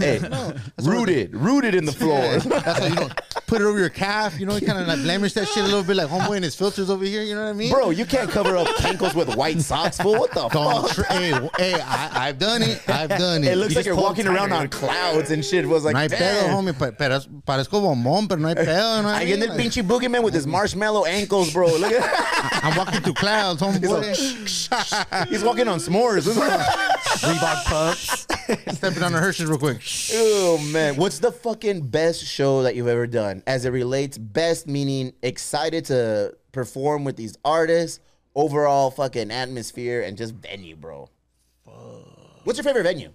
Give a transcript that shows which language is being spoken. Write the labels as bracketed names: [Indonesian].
[English] hey, no. Rooted in the floor. That's how you put it over your calf. You know, you kind of, like, blemish that shit a little bit. Like, homeboy and his filters over here. You know what I mean? Bro, you can't cover up cankles with white socks, fool. What the fuck? Hey, I've done it. It looks like you're walking around on clouds and shit. Was like, [Spanish] no hay pedo, homie. Parezco bombón, pero no hay pedo. No hay [English] I get the pinche boogeyman with his marshmallow ankles, bro. Look at that. I'm walking through clouds, homeboy. He's walking on s'mores. Reebok pumps. Stepping on the Hershey's real quick. Oh, man. What's the fucking best show that you've ever done? As it relates, best meaning excited to perform with these artists, overall fucking atmosphere, and just venue, bro. What's your favorite venue?